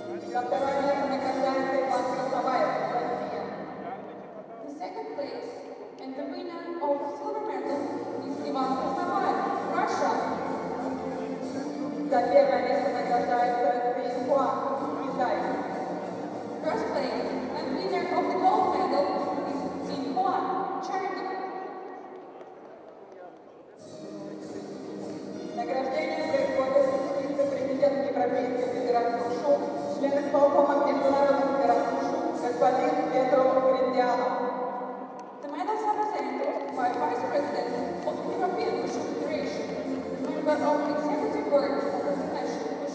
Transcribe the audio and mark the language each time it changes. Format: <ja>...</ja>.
<ru>За второе место награждается Иван Красноваев, Россия.</ru> <en>The second place and the winner of silver medal is Иван Красноваев, Russia.</en> <ru>За первое место награждается Цзинь Хуа, Китай.</ru> <en>First place and winner of the gold medal is Цзинь Хуа, China.</en> <ru>Награждение происходит вице-президент Европейской Федерации ВШУ, член исполкома Международной Федерации ВШУ, господин Петров Гриндиалов.</ru> <en>The medals are presented by Vice President of the European ВШУ Federation, member of the Executive Board</en>